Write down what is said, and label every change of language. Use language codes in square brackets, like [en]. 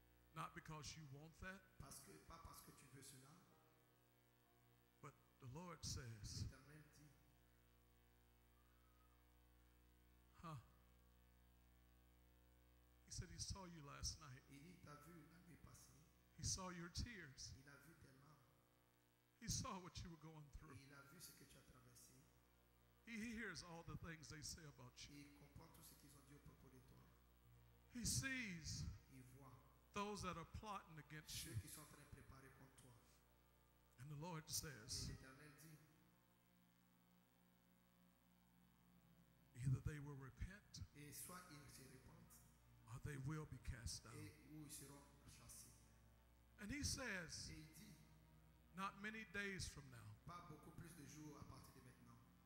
[en] Not because you want that, but the Lord says, He said, He saw you last night. He saw your tears. [fr] Il a vu tes larmes. [en] He saw what you were going through. [fr] Il a vu ce que tu as traversé. [en] He hears all the things they say about you. [fr] Il comprend tout ce qu'ils ont dit au propos de toi. [en] He sees [fr] il voit [en] those that are plotting against [fr] ceux [en] you. [fr] Qui sont en train de préparer contre toi. [en] And the Lord says, [fr] et l'Éternel dit, [en] either they will repent [fr] et soit ils se repentent, [en] or they will be cast down. [fr] Et où ils seront. [en] And he says, not many days from now, [fr] pas beaucoup plus de jours à partir de maintenant,